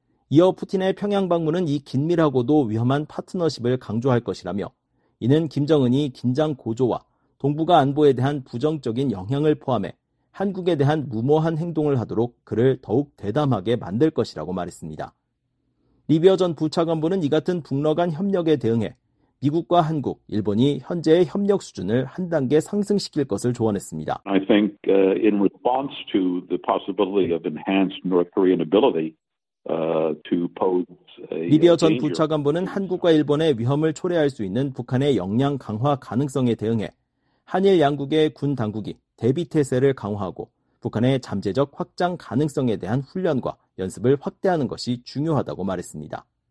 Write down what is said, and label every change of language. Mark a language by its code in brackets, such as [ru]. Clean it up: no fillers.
[ko] 이어 푸틴의 평양 방문은 이 긴밀하고도 위험한 파트너십을 강조할 것이라며 이는 김정은이 긴장 고조와 동북아 안보에 대한 부정적인 영향을 포함해 한국에 대한 무모한 행동을 하도록 그를 더욱 대담하게 만들 것이라고 말했습니다. 리비어 전 부차관보는 이 같은 북러 간 협력에 대응해 미국과 한국, 일본이 현재의 협력 수준을 한 단계 상승시킬 것을 조언했습니다. [en] I think in response to the possibility of enhanced North Korean ability to pose a [ko] 리비어 전 부차관보는 한국과 일본의 위험을 초래할 수 있는 북한의 역량 강화 가능성에 대응해 한일 양국의 군 당국이 대비 태세를 강화하고 북한의 잠재적 확장 가능성에 대한 훈련과 연습을 확대하는 것이 중요하다고 말했습니다.